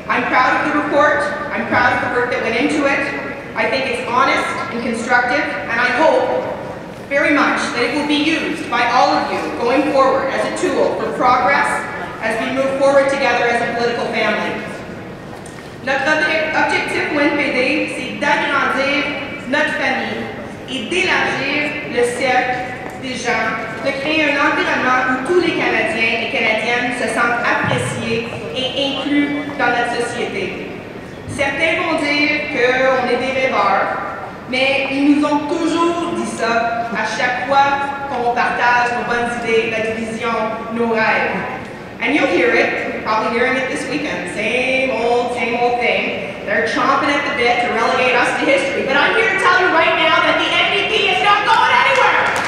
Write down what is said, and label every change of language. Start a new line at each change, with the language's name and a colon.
English: I'm proud of the report. I'm proud of the work that went into it. I think it's honest and constructive, and I hope very much that it will be used by all of you going forward as a tool for progress as we move forward together as a political family.
French: Notre objectif au NPD, c'est d'agrandir notre famille et d'élargir le cercle des gens, de créer un environnement où tous les Canadiens et Canadiennes se sentent appréciés et inclus dans notre société. Certains vont dire qu'on est des rêveurs, mais ils nous ont toujours dit ça à chaque fois qu'on partage nos bonnes idées, notre vision, nos rêves.
English: And you'll hear it, probably hearing it this weekend, same old thing. They're chomping at the bit to relegate us to history. But I'm here to tell you right now that the NDP is not going anywhere!